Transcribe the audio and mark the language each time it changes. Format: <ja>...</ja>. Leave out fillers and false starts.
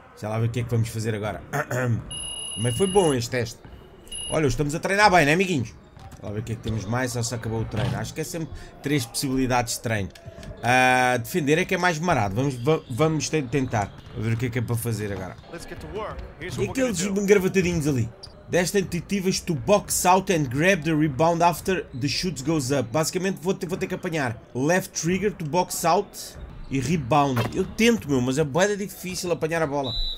<pt>Já lá ver o que é que vamos fazer agora. Mas foi bom este teste. Olha, estamos a treinar bem, né, amiguinhos? Já lá ver o que é que temos mais ou se acabou o treino. Acho que é sempre 3 possibilidades de treino. Defender é que é mais marado. Vamos tentar. A ver o que é para fazer agora. E aqueles engravatadinhos ali?</pt> <en>10</en> <pt>tentativas</pt> <en>to box out and grab the rebound after the shoot goes up.</en> <pt>Basicamente vou ter que apanhar</pt> <en>left trigger to box out</en> <pt>e rebound. Eu tento, meu, mas é bué da difícil apanhar a bola.</pt>